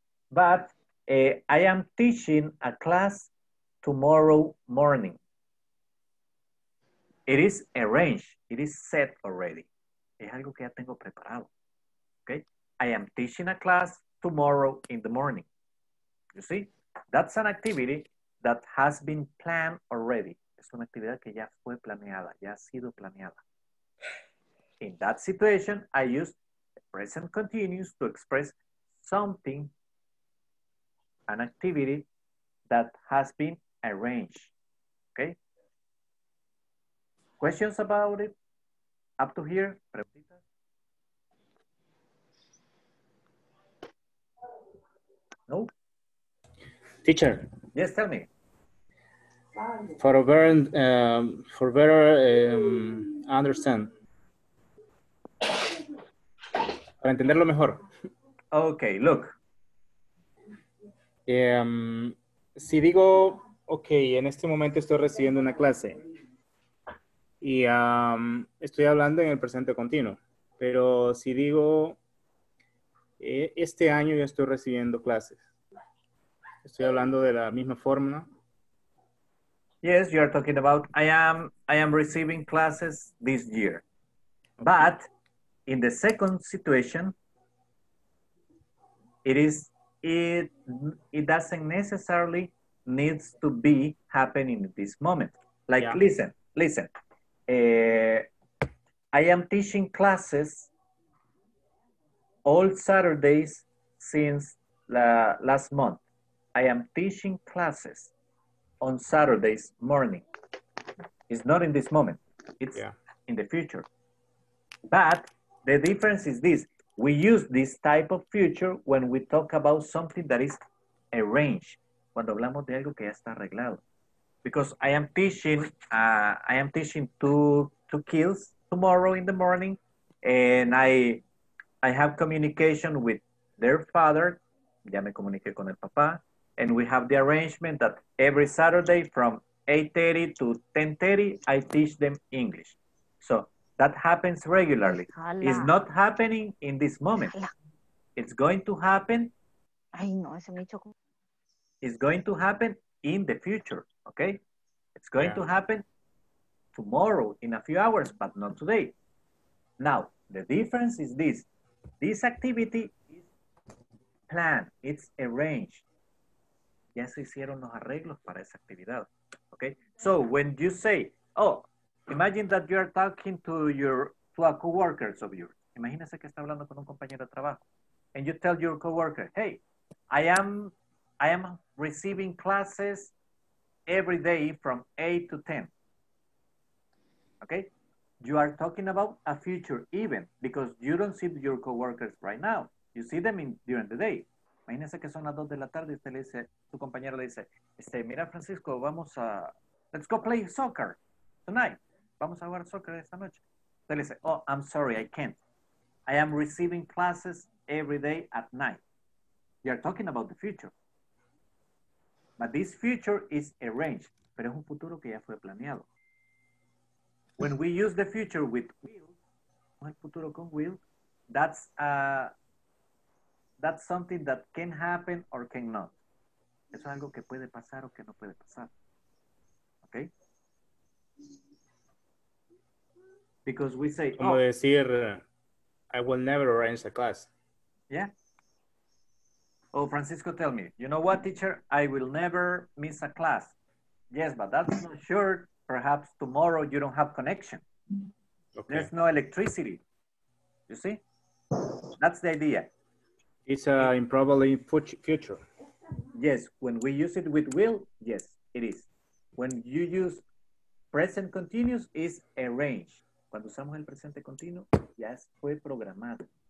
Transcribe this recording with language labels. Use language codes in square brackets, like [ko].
[en] But I am teaching a class tomorrow morning. It is arranged, it is set already. [es] Es algo que ya tengo preparado, [en] okay? I am teaching a class tomorrow in the morning. You see, that's an activity that has been planned already. [es] Es una actividad que ya fue planeada, ya ha sido planeada. [en] In that situation, I use the present continuous to express something, an activity that has been arranged, okay? Questions about it? Up to here? [es] Preguntas? [en] No? Teacher. Yes, tell me. For better understand. [es] Para entenderlo mejor. [en] Okay, look. [es] Si digo, okay, en este momento estoy recibiendo una clase. Y estoy hablando en el presente continuo. Pero si digo, este año yo estoy recibiendo clases. Estoy hablando de la misma forma, ¿no? [en] Yes, you are talking about, I am receiving classes this year. Okay. But in the second situation, it doesn't necessarily needs to be happening at this moment. Like, yeah. Listen. I am teaching classes all Saturdays since last month. I am teaching classes on Saturdays morning. It's not in this moment. It's in the future. But the difference is this. We use this type of future when we talk about something that is arranged. [es] Cuando hablamos de algo que ya está arreglado. [en] Because I am teaching two kids tomorrow in the morning, and I have communication with their father. [es] Ya me comuniqué con el papá, [en] and we have the arrangement that every Saturday from 8:30 to 10:30 I teach them English. So that happens regularly. Hola. It's not happening in this moment. Hola. It's going to happen. [es] Ay, no, se me chocó. [en] It's going to happen in the future. Okay, it's going to happen tomorrow in a few hours, but not today. Now, the difference is this. This activity is planned. It's arranged. [es] Ya se hicieron los arreglos para esa actividad. [en] Okay, so when you say, oh, imagine that you are talking to a co-workers of yours. [es] Imagínese que está hablando con un compañero de trabajo. [en] And you tell your co-worker, hey, I am receiving classes every day from 8 to 10. Okay? You are talking about a future event because you don't see your coworkers right now. You see them during the day. [es] Imagínense que son las 2 de la tarde y usted le dice, su compañero le dice, mira Francisco, vamos a, [en] let's go play soccer tonight. [es] Vamos a jugar soccer esta noche. Usted le dice, [en] oh, I'm sorry, I can't. I am receiving classes every day at night. You are talking about the future. But this future is arranged. [es] Pero es un futuro que ya fue planeado. [en] When we use the future with will, [es] el futuro con [en] will, that's something that can happen or cannot. [es] Eso es algo que puede pasar o que no puede pasar. [en] Okay? Because we say, [es] como decir, [en] I will never arrange a class. Yeah. Oh, Francisco, tell me. You know what, teacher? I will never miss a class. Yes, but that's not sure. Perhaps tomorrow you don't have connection. Okay. There's no electricity. You see? That's the idea. It's an improbable future. Yes, when we use it with will, yes, it is. When you use present continuous, it's arranged. [es] Cuando usamos el presente continuo, ya fue programado.